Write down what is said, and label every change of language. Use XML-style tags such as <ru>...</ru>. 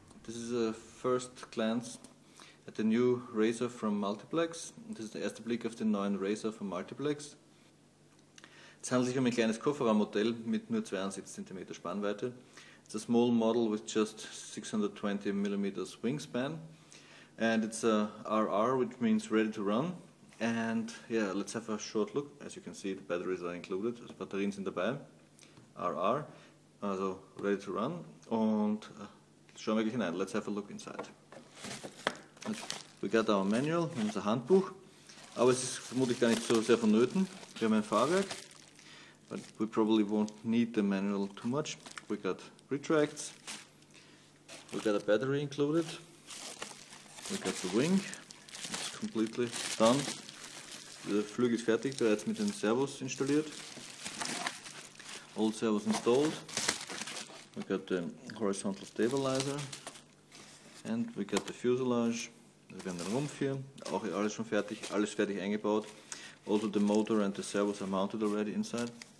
<en>This is a first glance at the new Razzor from Multiplex. This is the</en> <de>erste Blick auf den neuen Razzor von Multiplex. Es handelt sich um ein kleines Kofferraummodell mit nur 72 cm Spannweite.</de> <en>It's a small model with just 620 mm wingspan. And it's a RR, which means ready to run. And yeah, let's have a short look. As you can see, the batteries are included.</en> <de>Also Batterien sind dabei.</de> <en>RR. Also ready to run, and</en> <de>schauen wir gleich hinein.</de> <en>Let's have a look inside. We got our manual,</en> <de>unser Handbuch, aber es ist vermutlich gar nicht so sehr vonnöten. Wir haben ein Fahrwerk,</de> <en>but we probably won't need the manual too much. We got retracts, we got a battery included, we got the wing, it's completely done.</en> <de>Der Flügel ist fertig, bereits mit den Servos installiert.</de> <en>All servos installed. We got the horizontal stabilizer and we got the fuselage.</en> <de>Wir haben den Rumpf hier, auch alles schon fertig, alles fertig eingebaut.</de> <en>Also the motor and the servos are mounted already inside.</en>